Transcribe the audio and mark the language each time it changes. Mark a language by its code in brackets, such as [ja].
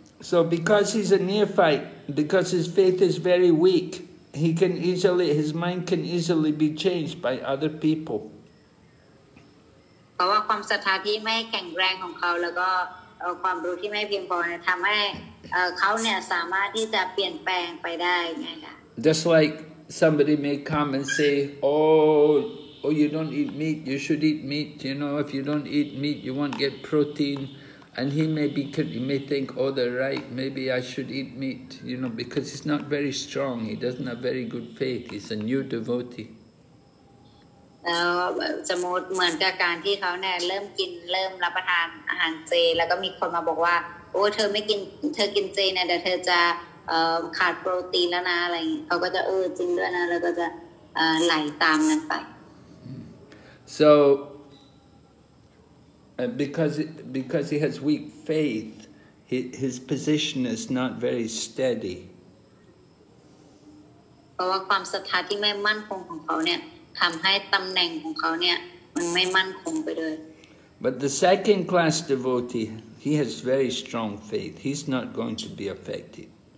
[en] So because he's a neophyte, because his faith is very weak, his mind can easily be changed by other people. [th] เพราะว่าความศรัทธาที่ไม่แข็งแรงของเขาแล้วก็ความรู้ที่ไม่เพียงพอเนี่ยทำให้เขาเนี่ยสามารถที่จะเปลี่ยนแปลงไปได้ไงค่ะ [en] Just like somebody may come and say, oh, you don't eat meat, you should eat meat. You know, if you don't eat meat, you won't get protein. And he may think, oh, they're right. Maybe I should eat meat. You know, because he's not very strong. He doesn't have very good faith. He's a new devotee. [th] แล้วสมมติเหมือนกับการที่เขาเนี่ยเริ่มรับประทานอาหารเจแล้วก็มีคนมาบอกว่าโอ้เธอกินเจเนี่ยเดี๋ยวเธอจะขาดโปรตีนแล้วนะอะไรเขาก็จะจริงด้วยนะแล้วก็จะไหลตามนั้นไป [en] so because he has weak faith his position is not very steady [th] เพราะว่าความศรัทธาที่ไม่มั่นคงของเขาเนี่ยทำให้ตำแหน่งของเขาเนี่ยมันไม่มั่นคงไปเลย [en] But the second class devotee, he has very strong faith. He's not going to be affected.